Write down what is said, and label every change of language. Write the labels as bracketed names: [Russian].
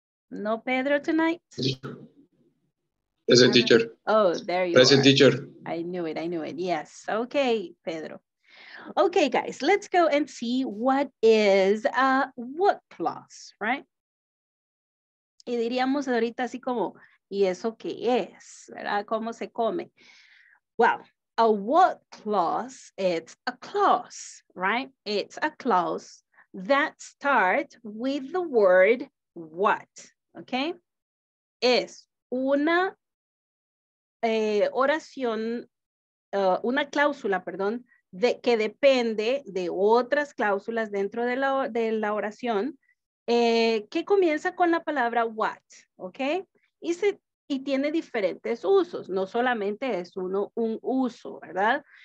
[English] No Pedro tonight? Present, teacher. Oh, there you present, Present, teacher. I knew it. Yes. Okay, Pedro. Okay, guys, let's go and see what is a what clause, right? [Spanish] Y diríamos ahorita así como, ¿y eso qué es? ¿Verdad? ¿Cómo se come? [English] Well, a what clause, it's a clause, right? It's a clause that starts with the word what. [Spanish] Okay, es una oración, una cláusula, perdón, de que depende de otras cláusulas dentro de la oración, que comienza con la palabra what, okay, y tiene diferentes usos, no solamente es uno un uso, ¿verdad?